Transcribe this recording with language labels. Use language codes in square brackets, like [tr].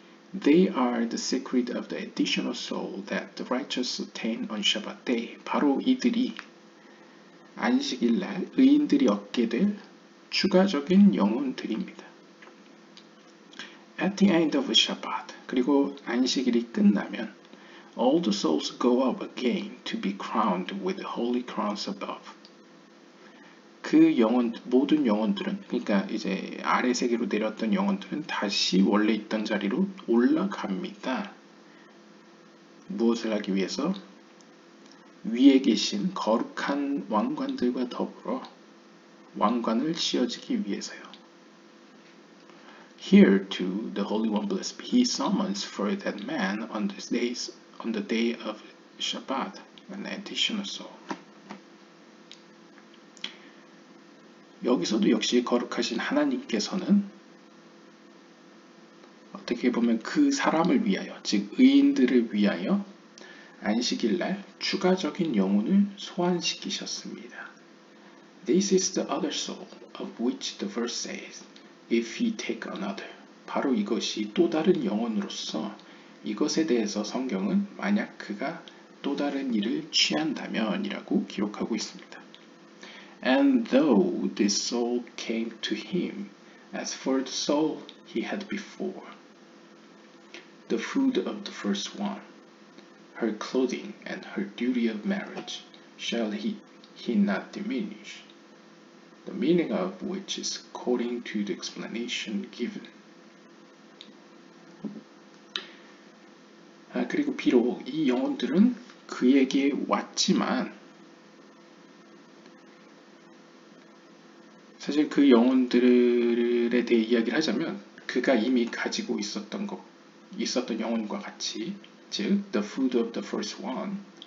[en] They are the secret of the additional soul that the righteous attain on Shabbat day. [ko] 바로 이들이 안식일 날 의인들이 얻게 될 추가적인 영혼들입니다. [en] At the end of Shabbat, [ko] 그리고 안식일이 끝나면 [en] All the souls go up again to be crowned with the holy crowns above. [ko] 그 영혼, 모든 영혼들은, 그러니까 이제 아래 세계로 내려왔던 영혼들은 다시 원래 있던 자리로 올라갑니다. 무엇을 하기 위해서? 위에 계신 거룩한 왕관들과 더불어 왕관을 씌워지기 위해서요. [en] Here too, the Holy One blessed be, he summons for that man on these days. On the day of Shabbat, an additional soul. [ko] 여기서도 역시 거룩하신 하나님께서는 어떻게 보면 그 사람을 위하여, 즉 의인들을 위하여 안식일 날 추가적인 영혼을 소환시키셨습니다. [en] This is the other soul of which the verse says, if he take another. [ko] 바로 이것이 또 다른 영혼으로서 이것에 대해서 성경은 만약 그가 또 다른 일을 취한다면 이라고 기록하고 있습니다. [en] And though this soul came to him, as for the soul he had before, the food of the first one, her clothing and her duty of marriage, shall he not diminish, the meaning of which is according to the explanation given. [ko] 아, 그리고 비록 이 영혼들은 그에게 왔지만 사실 그 영혼들에 대해 이야기를 하자면 그가 이미 가지고 있었던 것, 있었던 영혼과 같이 즉 [en] the food of the first one